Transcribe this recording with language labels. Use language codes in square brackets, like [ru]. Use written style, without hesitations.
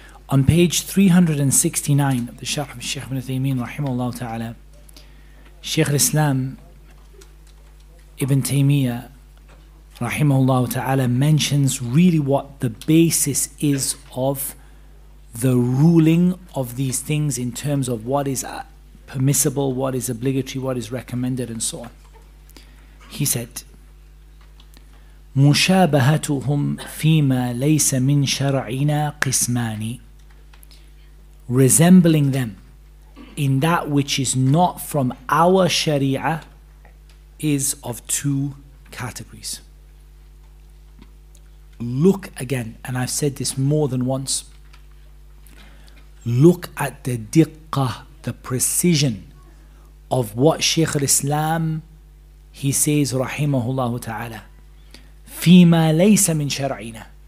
[en] On page 369 of the Sharh of Shaykh ibn Uthaymeen rahimahullah ta'ala, Shaykh al-Islam Ibn Taymiyyah rahimahullah ta'ala mentions really what the basis is of the ruling of these things in terms of what is permissible, what is obligatory, what is recommended, and so on. He said, [ar] مشابهتهم فيما ليس من شرعنا قسمان. [en] Resembling them in that which is not from our Sharia is of two categories. Look again, and I've said this more than once, look at the diqqah, the precision of what Shaykh al-Islam, he says, rahimahullah ta'ala, [ar] فِيمَا لَيْسَ مِنْ شَرْعِينَ.